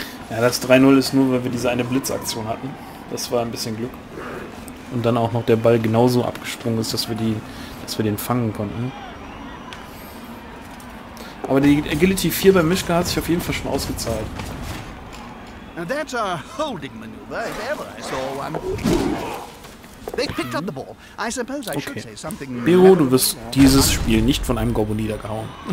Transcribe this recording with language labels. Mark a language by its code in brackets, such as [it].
[de] Ja, das 3-0 ist nur, weil wir diese eine Blitzaktion hatten. Das war ein bisschen Glück. Und dann auch noch der Ball genauso abgesprungen ist, dass wir den fangen konnten. Aber die Agility 4 bei Mischka hat sich auf jeden Fall schon ausgezahlt. [en] That's a holding maneuver, if ever I saw one. They picked up the ball. I suppose I should say something. [de] Bero, du wirst dieses Spiel nicht von einem Gobbo niedergehauen.